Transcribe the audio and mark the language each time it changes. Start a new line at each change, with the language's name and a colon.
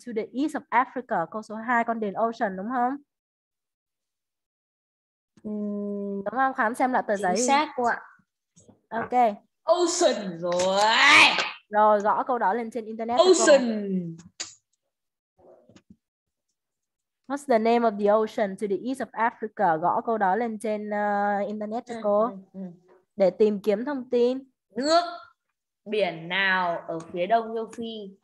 English: To the east of Africa.
Vietnamese: Câu số 2, con điền ocean, đúng không? Đúng không? Khám xem lại tờ giấy. Chính xác quá. Ok. Ocean rồi. Rồi, gõ câu đó lên trên internet.
English: Ocean. What's the name of the ocean to the east of Africa?
Vietnamese: Gõ câu đó lên trên internet cho cô. Để tìm kiếm thông tin. Nước biển nào ở phía đông châu Phi?